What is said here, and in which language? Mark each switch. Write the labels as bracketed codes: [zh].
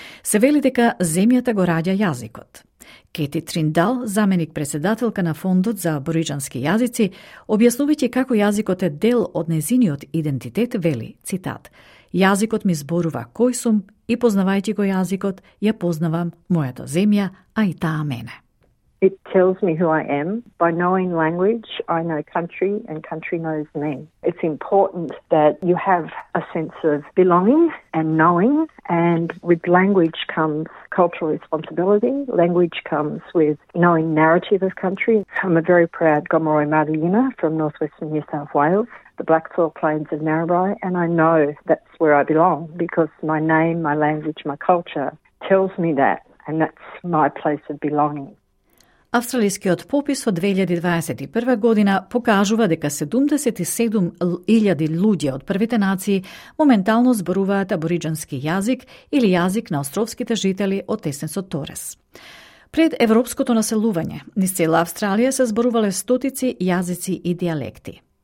[mk] Се вели дека земјата го раѓа јазикот. Кети Триндал, заменик председателка на Фондот за абориџански јазици, објаснувајќи како јазикот е дел од незиниот идентитет, вели, цитат, «Јазикот ми зборува кој сум и познавајќи го јазикот, ја познавам мојата земја, а и таа мене». [en] It tells me who I am. By knowing language, I know country, and country knows me. It's important that you have a sense of belonging and knowing, and with language comes cultural responsibility. Language comes with knowing narrative of country. I'm a very proud Gomeroi Marliyina from northwestern New South Wales. the Black Soil Plains of Narrabri, and I know that's where I belong because my name, my language, my culture tells me that, and that's my place of belonging. [mk] Австралискиот попис од 2021 година покажува дека 77.000 луѓе од првите нации моментално зборуваат абориџански јазик или јазик на островските жители од Тесенцот Торес. Пред европското населување, низ цела Австралија се зборувале стотици јазици и диалекти.